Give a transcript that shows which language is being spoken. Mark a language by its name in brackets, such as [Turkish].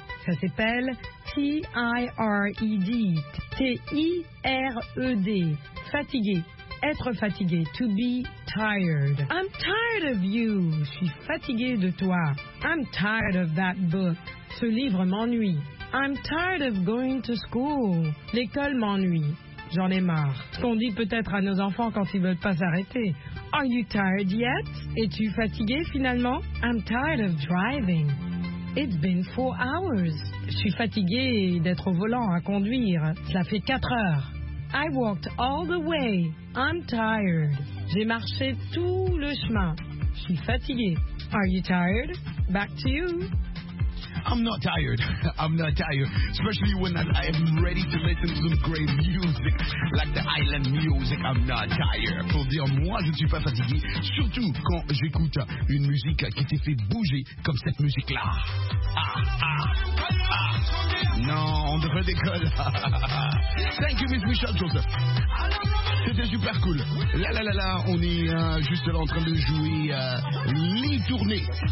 [French] Ça s'appelle T-I-R-E-D. T-I-R-E-D. Fatigué. Être fatigué. [English] To be tired. I'm tired of you. [French] Je suis fatigué de toi. [English] I'm tired of that book. [French] Ce livre m'ennuie. [English] I'm tired of going to school. [French] L'école m'ennuie. J'en ai marre. Ce qu'on dit peut-être à nos enfants quand ils veulent pas s'arrêter. [English] Are you tired yet? [French] Es-tu fatigué finalement? [English] I'm tired of driving. It's been 4 hours. [French] Je suis fatigué d'être au volant à conduire. Cela fait 4 heures. [English] I walked all the way. I'm tired. [French] J'ai marché tout le chemin. Je suis fatigué. [English] Are you tired? Back to you. I'm not tired. I'm not tired. Especially when I am ready to listen to some great music, like the island music. I'm not tired. [French] Pour dire, moi, je ne suis pas fatigué. Surtout quand j'écoute une musique qui t'est fait bouger comme cette musique-là. Ah, ah, ah. Non, on devrait décoller. [English] Thank you, [French] Miss Michelle Joseph. C'était super cool. Là, là, là, là, on est juste là en train de jouer les tournées.